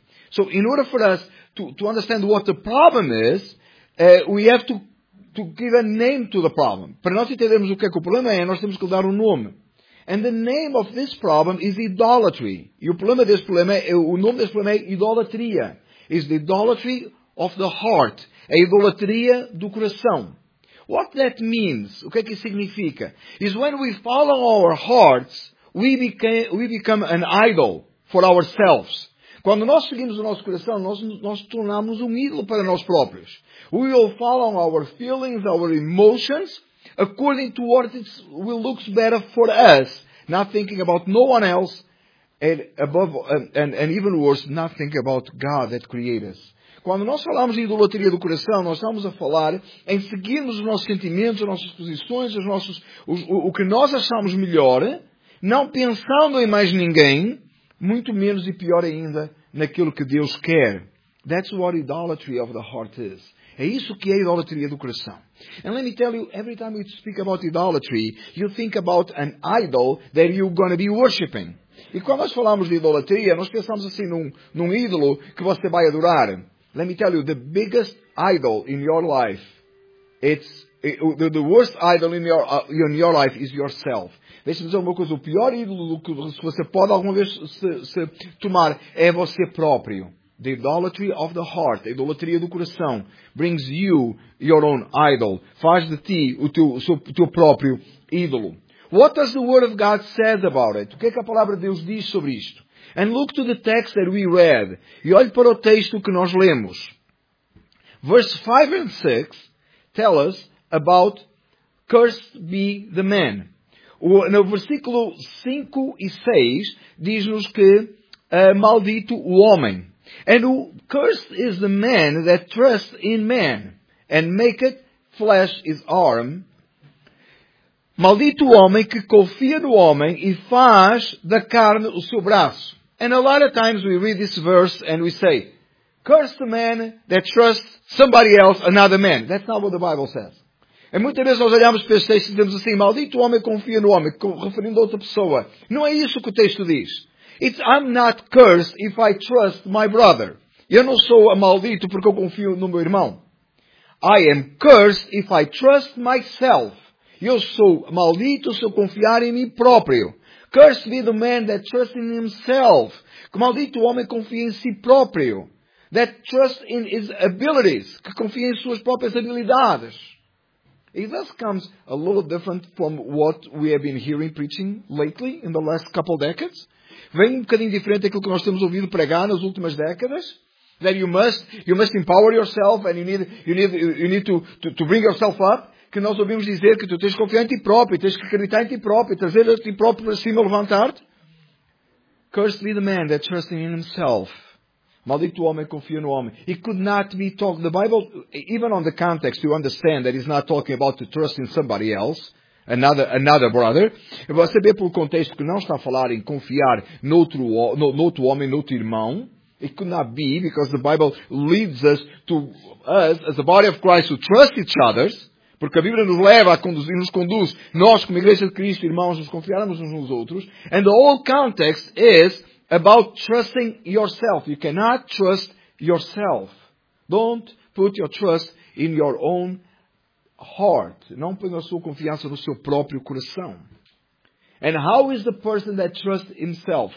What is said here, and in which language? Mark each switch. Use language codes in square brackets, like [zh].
[en] So, in order for us to understand what the problem is, we have to give a name to the problem. [pt] Para nós entendermos o que é que o problema é, nós temos que lhe dar um nome. [en] And the name of this problem is idolatry. [pt] E o nome deste problema é idolatria. [en] It's the idolatry of the heart. [pt] A idolatria do coração. [en] What that means, [pt] o que é que isso significa? [en] Is when we follow our hearts, we become an idol for ourselves. [pt] Quando nós seguimos o nosso coração, nós tornamos um ídolo para nós próprios. [en] We will follow our feelings, our emotions, according to what it looks better for us, not thinking about no one else, and above and even worse, not thinking about God that created us. [pt] Quando nós falamos de idolatria do coração, nós estamos a falar em seguirmos os nossos sentimentos, as nossas posições, o que nós achamos melhor, não pensando em mais ninguém, muito menos e pior ainda, naquilo que Deus quer. [en] That's what idolatry of the heart is. [pt] É isso que é a idolatria do coração. [en] And let me tell you, every time you speak about idolatry, you think about an idol that you're going to be worshipping. [pt] E quando nós falamos de idolatria, nós pensamos assim num ídolo que você vai adorar. [en] Let me tell you, the biggest idol in your life, the worst idol in your life is yourself. [pt] Deixa-me dizer uma coisa, o pior ídolo que você pode alguma vez se tomar é você próprio. [en] The idolatry of the heart, [pt] a idolatria do coração, [en] brings you your own idol. [pt] Faz de ti o teu próprio ídolo. [en] What does the Word of God say about it? [pt] O que é que a Palavra de Deus diz sobre isto? [en] And look to the text that we read. [pt] E olhe para o texto que nós lemos. [en] Verse 5 and 6 tell us about cursed be the man. [pt] No versículo 5 e 6 diz-nos que maldito o homem. [en] And cursed is the man that trusts in man and maketh flesh his arm. [pt] Maldito o homem que confia no homem e faz da carne o seu braço. [en] And a lot of times we read this verse and we say, curse the man that trusts somebody else, another man. That's not what the Bible says. [pt] E muitas vezes nós olhamos para este texto e dizemos assim, maldito homem confia no homem, referindo a outra pessoa. Não é isso que o texto diz. [en] It's I'm not cursed if I trust my brother. [pt] Eu não sou maldito porque eu confio no meu irmão. [en] I am cursed if I trust myself. [pt] Eu sou maldito se eu confiar em mim próprio. [en] Cursed be the man that trusts in himself. [pt] Que maldito o homem confia em si próprio. [en] That trusts in his abilities. [pt] Que confia em suas próprias habilidades. [en] It thus comes a little different from what we have been hearing preaching lately, in the last couple decades. [pt] Vem um bocadinho diferente daquilo que nós temos ouvido pregar nas últimas décadas. [en] That you must empower yourself and you need to bring yourself up. [pt] Que nós ouvimos dizer que tu tens que confiar em ti próprio, tens que acreditar em ti próprio, trazer a ti próprio para cima, levantar-te. [en] Cursed be the man that trusts in himself. [pt] Maldito o homem que confia no homem. [en] It could not be talked. The Bible, even on the context, you understand that it's not talking about to trust in somebody else, another brother. [pt] Você vê pelo contexto que não está a falar em confiar noutro homem, noutro irmão. [en] It could not be, because the Bible leads us to us, as the body of Christ, to trust each other. [pt] Porque a Bíblia nos leva a conduzir, nos conduz, nós como Igreja de Cristo, irmãos, nos confiarmos uns nos outros. [en] And the whole context is about trusting yourself. You cannot trust yourself. Don't put your trust in your own heart. [pt] Não ponha a sua confiança no seu próprio coração. [en] And how is the person that trusts himself?